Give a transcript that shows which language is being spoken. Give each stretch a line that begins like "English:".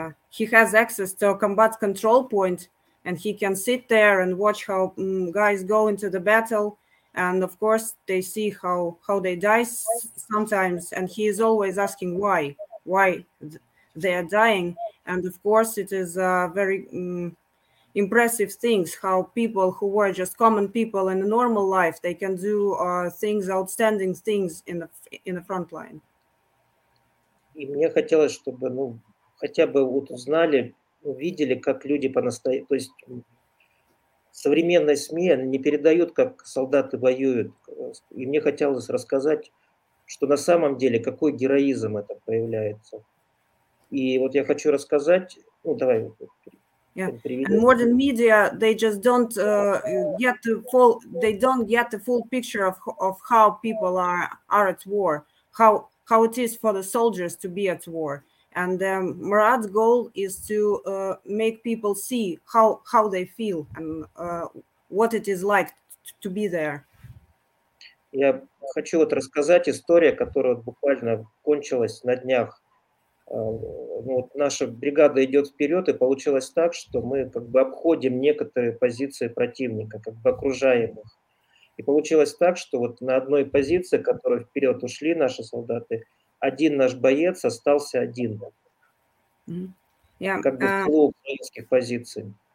English: He has access to a combat control point, and he can sit there and watch how guys go into the battle, and of course they see how they die sometimes, and he is always asking why they are dying. And of course, it is a very impressive things how people who were just common people in a normal life, they can do things, outstanding things in the front line.
Russian: И мне хотелось, чтобы, ну, хотя бы вот узнали, увидели, как люди то есть современные СМИ не передают, как солдаты воюют. И мне хотелось рассказать, что на самом деле, какой героизм это проявляется. И вот я хочу рассказать, ну давай.
English: And modern media, they just don't get the full, they don't get the full picture of how people are at war, how it is for the soldiers to be at war. And Murat's goal is to make people see how they feel and what it is like to be there.
Russian: Я хочу вот рассказать историю, которая буквально кончилась на днях. Ну, вот наша бригада идет вперед, и получилось так, что мы как бы обходим некоторые позиции противника, как бы окружаем их. И получилось так, что вот на одной позиции, которой вперед ушли наши солдаты, один наш боец остался один. Как бы в полу украинских позиций.